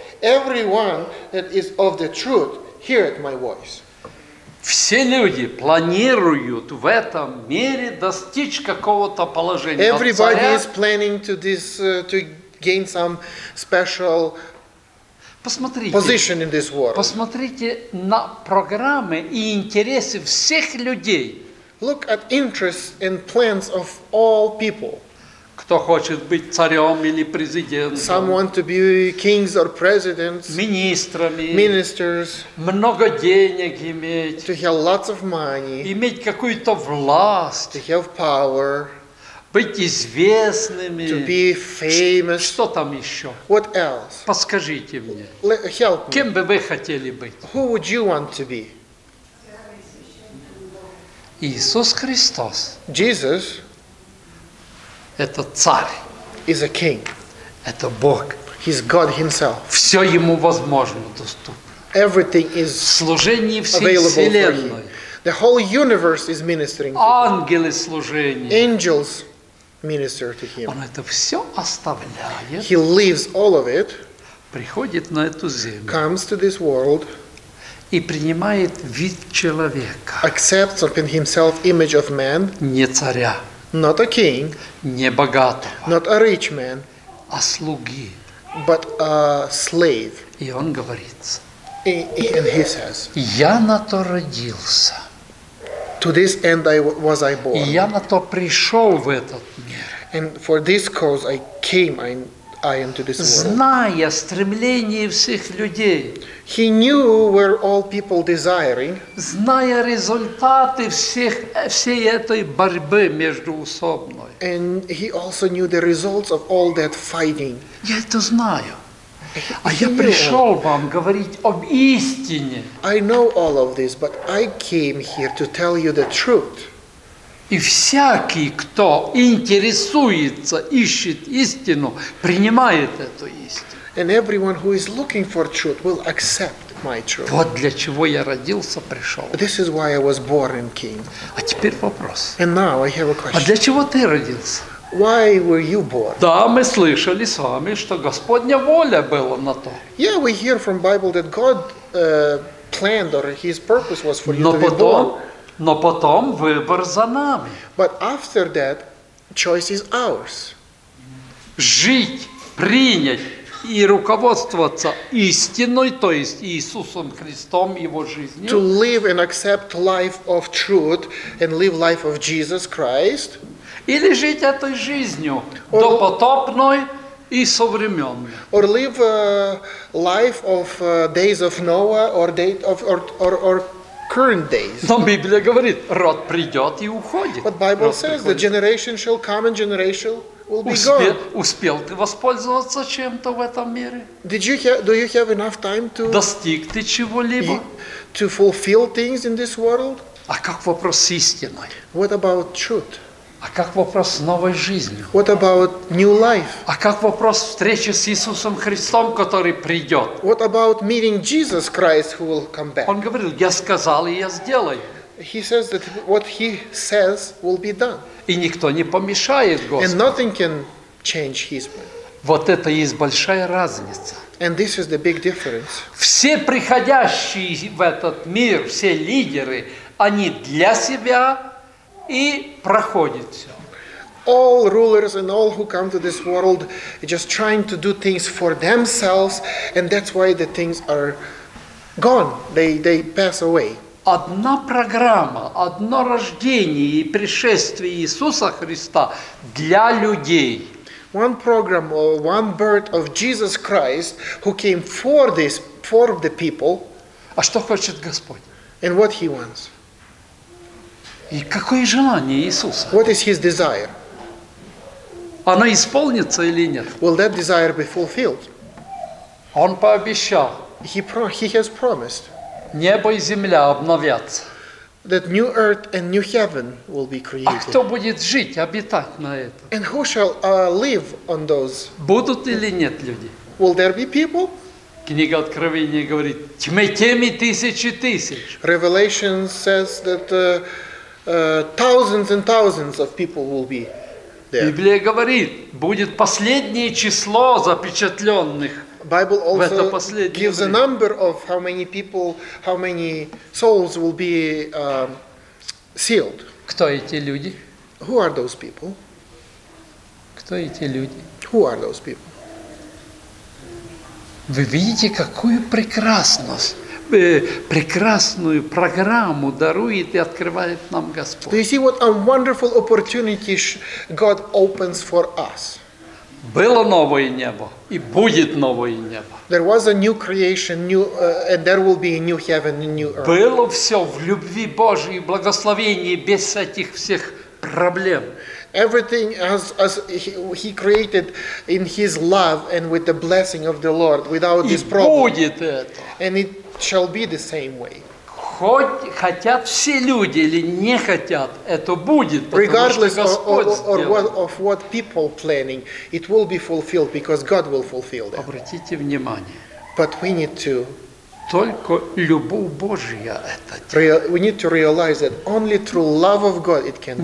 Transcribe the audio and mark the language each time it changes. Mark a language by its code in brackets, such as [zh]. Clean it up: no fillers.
[en] Everyone that is of the truth heareth my voice. [ru] Все люди планируют в этом мире достичь какого-то положения. [en] Everybody [ru] царя, [en] is planning to this to gain some special position in this world. [ru] Посмотрите на программы и интересы всех людей. [en] Look at interests and plans of all people. [ru] Кто хочет быть царем или президентом? [en] Some want to be kings or presidents. [ru] Министрами. [en] Ministers. [ru] Много денег иметь. [en] To have lots of money. [ru] Иметь какую-то власть. [en] To have power. [ru] Быть известными. [en] To be famous. [ru] Что там еще? [en] What else? [ru] Подскажите мне. [en] Help me. [ru] Кем бы вы хотели быть? [en] Who would you want to be? [ru] Иисус Христос. [en] Jesus. [ru] Это царь. [en] Is a king. [ru] Это Бог. [en] He's God himself. [ru] Все ему возможно доступно. [en] Everything is [ru] служение всей вселенной. [en] The whole universe is ministering to him. [ru] Ангелы служения. [en] Angels minister to him. [ru] Он это все оставляет. [en] He leaves all of it. [ru] Приходит на эту землю. [en] Comes to this world. [ru] И принимает вид человека. [en] Accepts upon himself image of man. [ru] Не царя. [en] Not a king, [ru] не богатого, [en] not a rich man, [ru] а слуги, [en] but a slave. [ru] И он говорит, [en] and he says, [ru] я на то родился, [en] to this end I was I born, [ru] и я на то пришел в этот мир, [en] and for this cause I came I am to this world. [ru] Зная стремление всех людей, [en] he knew where all people desiring. [ru] Зная результаты всех всей этой борьбы междуусобной, [en] and he also knew the results of all that fighting. [ru] Я это знаю. А я пришел вам говорить об истине. [en] I know all of this, but I came here to tell you the truth. [ru] И всякий, кто интересуется, ищет истину, принимает эту истину. [en] And everyone who is looking for truth will accept my truth. [ru] Вот для чего я родился, пришел. [en] This is why I was born and came. [ru] А теперь вопрос. [en] And now I have a question. [ru] А для чего ты родился? [en] Why were you born? [ru] Да, мы слышали с вами, что Господня воля была на то. [en] Yeah, we hear from Bible that God planned or His purpose was for you [ru] но [en] to be born. [ru] Но потом выбор за нами. [en] But after that, choice is ours. [ru] Жить, принять и руководствоваться истиной, то есть Иисусом Христом, Его жизнью. [en] To live and accept life of truth and live life of Jesus Christ. [ru] Или жить этой жизнью, допотопной и современной. [en] Or live life of days of Noah or date of or current days. [ru] Но Библия говорит, род придет и уходит. [en] But Bible says [ru] приходит. [en] The generation shall come and generation will be [ru] успел, [en] gone. [ru] Успел ты воспользоваться чем-то в этом мире? [en] Did you do you have enough time to [ru] достиг ты чего-либо? [en] To fulfill things in this world? [ru] А как вопрос истины? [en] What about truth? [ru] А как вопрос новой жизни? [en] What about new life? [ru] А как вопрос встречи с Иисусом Христом, который придет? [en] What about meeting Jesus Christ who will come back? [ru] Он говорил, я сказал и я сделаю. [en] He says that what he says will be done. [ru] И никто не помешает Господу. [en] And nothing can change his will. [ru] Вот это и есть большая разница. [en] And this is the big difference. [ru] Все приходящие в этот мир, все лидеры, они для себя и проходит все. [en] All rulers and all who come to this world just trying to do things for themselves, and that's why the things are gone. They pass away. [ru] Одна программа, одно рождение и пришествие Иисуса Христа для людей. [en] One program or one birth of Jesus Christ who came for this for the people. [ru] А что хочет Господь? [en] And what he wants. [ru] И какое желание Иисуса? [en] What is his desire? [ru] Оно исполнится или нет? [en] Will that desire be fulfilled? [ru] Он пообещал. [en] He has promised. [ru] Небо и земля обновятся. [en] That new earth and new heaven will be created. [ru] А кто будет жить, обитать на этом? [en] And who shall live on those? [ru] Будут или нет люди? [en] Will there be people? [ru] Книга Откровения говорит, тьме теми тысячи тысяч. [en] Revelation says that thousands and thousands of people will be there. [ru] Библия говорит, будет последнее число запечатленных. [en] Bible also gives a number of how many people, how many souls will be sealed. [ru] Кто эти люди? [en] Who are those people? [ru] Кто эти люди? [en] Who are those people? [ru] Вы видите, какую прекрасность прекрасную программу дарует и открывает нам Господь. [en] Do you see what a wonderful opportunity God opens for us? [ru] Было новое небо и будет новое небо. [en] There was a new creation, and there will be a new heaven and new earth. [ru] Было все в любви Божьей, благословении, без этих всех проблем. [en] Everything as he created in his love and with the blessing of the Lord without this problem. And it shall be the same way. [ru] Хотят все люди или не хотят, это будет. [en] Regardless of what people planning, it will be fulfilled because God will fulfill it. [ru] Обратите внимание. [en] But we need to. [ru] Только любовь Божья это. [en] We need to realize that only through love of God it can.